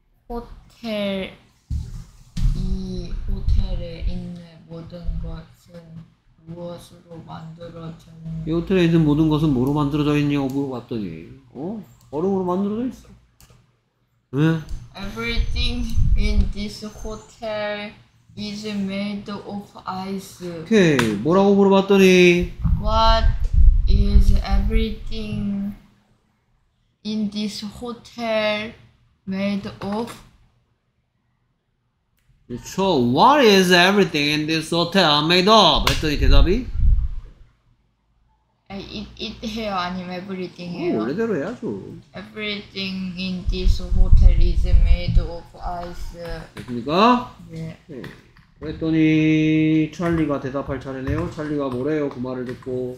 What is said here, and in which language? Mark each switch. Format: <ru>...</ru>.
<ko>호텔 이 호텔에 있는 모든 것은 무엇으로 만들어졌는지. 이 호텔에 있는 모든 것은 뭐로 만들어져 있냐고 물어봤더니 얼음으로 만들어져 있어. 왜? 네?</ko> <en>Everything in this hotel is made of ice.</en> <ko>오케이. 뭐라고 물어봤더니</ko> <en>What is everything in this hotel made of?</en> <ko>그렇죠.</ko> <en>What is everything in this hotel made of?</en> <ko>했더니 대답이 It 해요? 아니면 everything 해요? 원래대로 해야죠.</ko> <en>Everything in this hotel is made of ice.</en> <ko>됐습니까? 네. 그랬더니 찰리가 대답할 차례네요. 찰리가 뭐래요? 그 말을 듣고</ko>